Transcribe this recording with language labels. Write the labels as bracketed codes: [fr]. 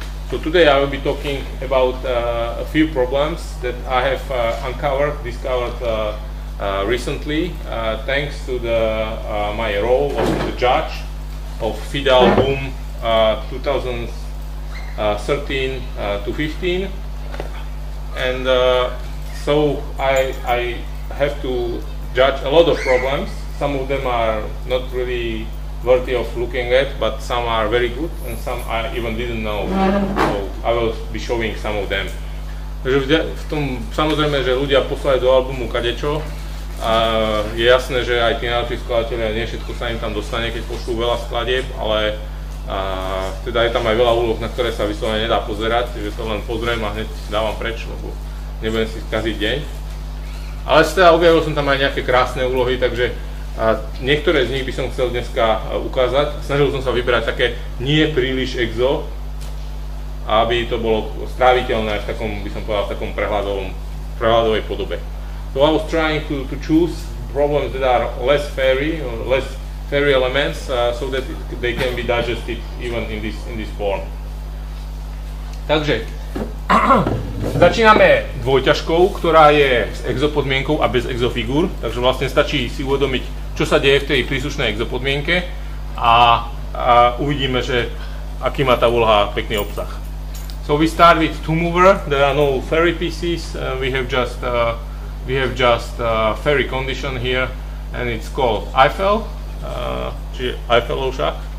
[en] So today I will be talking about a few problems that I have discovered recently thanks to the my role of the judge of FIDE album 2013 to 15. And so I have to judge a lot of problems. Some of them are not really worthy of looking at, but some are very good, and some I even didn't know. So I will be showing some of them. [sk] Takže v tom, samozrejme, že ľudia poslali do albumu kadečo, je jasné, že aj tí najlepší skladatelia, nie všetko sa im tam dostane, keď pošlú veľa skladieb, ale teda je tam aj veľa úloh, na ktoré sa vyslovene nedá pozerať, že to len pozriem a hneď dávam preč, lebo nebudem si skaziť deň. Ale teda objavil som tam aj nejaké krásne úlohy, takže a niektoré z nich by som chcel dneska ukázať. Snažil som sa vyberať také nie príliš exo, aby to bolo stráviteľné v takom, by som povedal, v takom prehľadovej podobe. [en] So I was trying to choose problems that are less fairy, less fairy elements, so that they can be digested even in this form. [sk] Takže začíname dvojťažkou, ktorá je s exo podmienkou a bez exo figur, takže vlastne stačí si uvedomiť, čo sa deje v tej príslušnej exopodmienke a uvidíme, že aký má tá úloha pekný obsah. [en] So we start with two mover, there are no fairy pieces, we have just fairy condition here and it's called Eiffel, [sk] čiže Eiffelov šach.